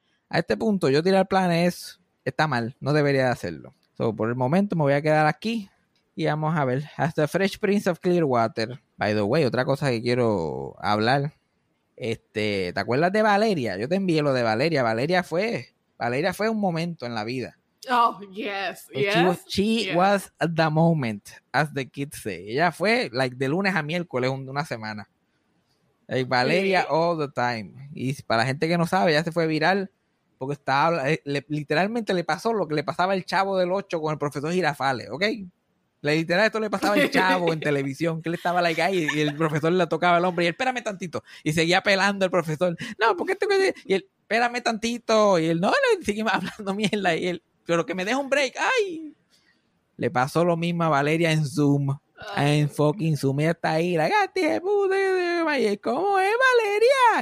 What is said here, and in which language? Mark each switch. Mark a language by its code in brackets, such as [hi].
[es] A este punto, yo tirar planes es... está mal, no debería hacerlo. So, por el momento me voy a quedar aquí y vamos a ver. Hasta Fresh Prince of Clearwater. [en] By the way, [es] otra cosa que quiero hablar... ¿te acuerdas de Valeria? Yo te envié lo de Valeria. Valeria fue un momento en la vida. [en] Oh, yes, pues yes. She was the moment, as the kids say. [es] Ella fue, like, de lunes a miércoles, una semana. [en] Like, Valeria all the time. [es] Y para la gente que no sabe, ya se fue viral, porque estaba, literalmente le pasó lo que le pasaba el Chavo del 8 con el profesor Jirafales, ¿ok? Literal, esto le pasaba al Chavo en televisión, que él estaba like ahí y el profesor le tocaba al hombre y él, espérame tantito, y seguía pelando el profesor, no, porque tengo que decir, y él, espérame tantito, y él, no, le seguimos hablando mierda, y él, pero que me deje un break, ay, le pasó lo mismo a Valeria en Zoom, en fucking Zoom, ella está ahí, la gata, y él, ¿cómo es Valeria?